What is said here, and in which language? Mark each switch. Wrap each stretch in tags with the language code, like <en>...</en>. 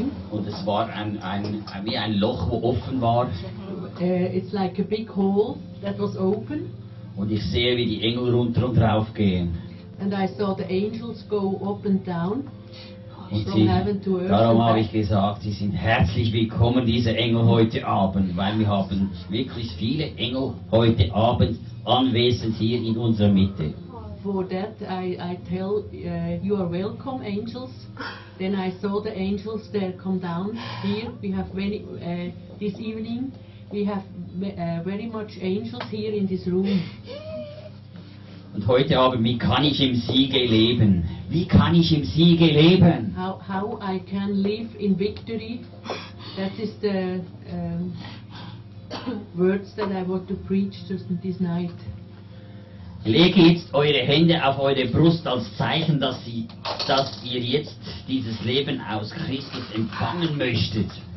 <de>Und es war wie ein Loch, wo offen war.</de> <en>It's like a big hole that was open.</en> <de>Und ich sehe, wie die Engel runter und drauf gehen.</de> <en>And I saw the angels go up and down.</en> <de>Und sie, darum habe ich gesagt, sie sind herzlich willkommen, diese Engel heute Abend, weil wir haben wirklich viele Engel heute Abend anwesend hier in unserer Mitte.</de> <en>For that I tell you are welcome, angels. Then I saw the angels there come down here. We have many this evening. We have very much angels here in this room.</en> <de>Und heute Abend, wie kann ich im Siege leben? Wie kann ich im Siege leben?</de> <en>How I can live in victory? That is the words that I want to preach this night.</en> <de>Lege jetzt eure Hände auf eure Brust als Zeichen, dass ihr jetzt dieses Leben aus Christus empfangen möchtet.</de>